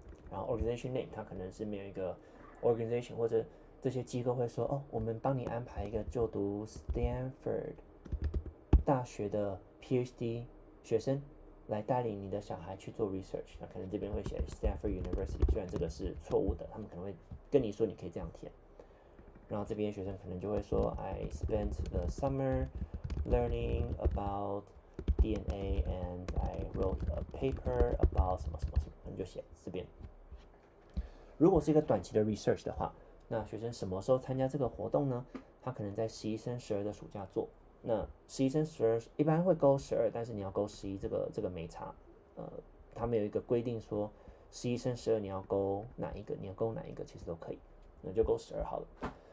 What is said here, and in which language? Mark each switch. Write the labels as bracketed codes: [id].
[zh] 然后 organization name 他可能是没有一个 organization， 或者这些机构会说，哦，我们帮你安排一个就读 Stanford 大学的 PhD 学生来带领你的小孩去做 research， 那可能这边会写 Stanford University， 虽然这个是错误的，他们可能会跟你说你可以这样填。然后这边学生可能就会说 [en] I spent the summer learning about DNA and I wrote a paper about [zh] 什么什么什么，那你就写这边。如果是一个短期的 research 的话，那学生什么时候参加这个活动呢？他可能在11升12的暑假做。那十一升十二一般会勾十二，但是你要勾十一，这个没差。他们有一个规定说，十一升十二你要勾哪一个，你要勾哪一个其实都可以，那就勾十二好了。